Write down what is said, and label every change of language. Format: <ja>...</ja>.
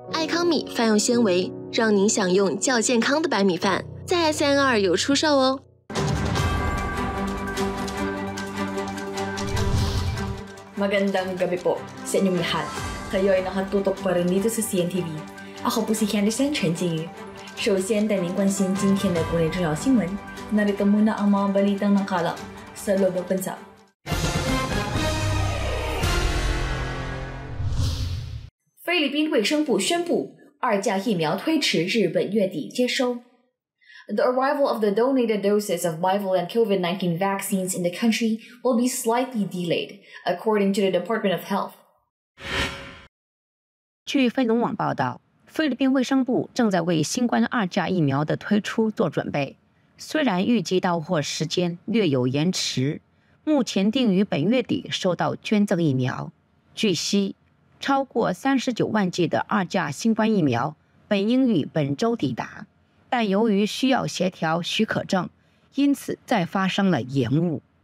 <zh>爱康米饭用纤维，让您享用较健康的白米饭，在 SNR 有出售哦。</zh> <tl>Magandang gabi po sa inyong lahat. Kayo ay nakatutok pa rin dito sa CNTV. Ako po si Candice Chen Jingyu.</tl> <zh>首先带您关心今天的国内重要新闻。</zh> <tl>Narito muna ang mga balitang nakalap sa loob ng bansa.</tl> <zh>Philippine 卫生部宣布二价疫苗推迟日本月底接收。</zh> <en>The arrival of the donated doses of Bivalent COVID-19 vaccines in the country will be slightly delayed, according to the Department of Health.</en> <zh>据菲农网报道，菲律宾卫生部正在为新冠二价疫苗的推出做准备。虽然预计到货时间略有延迟，目前定于本月底收到捐赠疫苗。据悉，超过39万剂的二价新冠疫苗本应于本周抵达，但由于需要协调许可证，因此再发生了延误。</zh>